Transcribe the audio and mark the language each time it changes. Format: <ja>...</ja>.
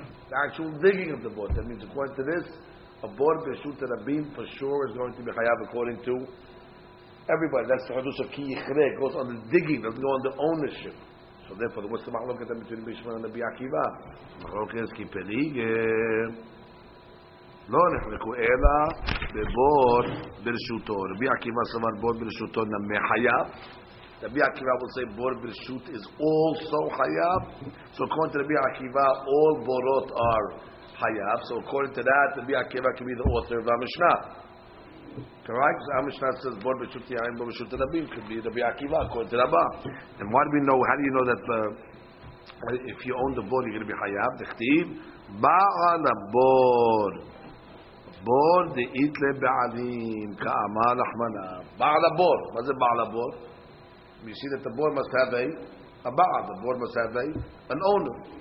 <en>The actual digging of the bor. That means according to this, a bor b'shut HaRabim for sure is going to be chayav according to everybody. That's the chadush of ki yichre. It goes on the digging, it doesn't go on the ownership. So therefore, what's the machloket between the Bishman and the Bi'akiva? Machloket is</en> <he>ki peligeh. לא נחלקו אלא בבור ברשותו. רבי עקיבא סבר בור ברשותו נמי חייב.</he> <en>רבי עקיבא will say בור ברשות is also חייב. So according to רבי עקיבא, all בורות are חייב. So according to that, רבי עקיבא can be the author of המשנה. Correct? So המשנה says בור ברשות יעין בור ברשות הרבים. Could be רבי עקיבא, according to רבה. And what do we know? How do you know that if you own the בור, you're going to be חייב?</en> <he>תכתיב, בעל הבור. Bor de itle ba'alim ka'ama lachmana. Ba'al ha-bor.</he> <en>What's a ba'al ha-bor? You see that the bor must have a ba'al. The bor must have an owner.</en>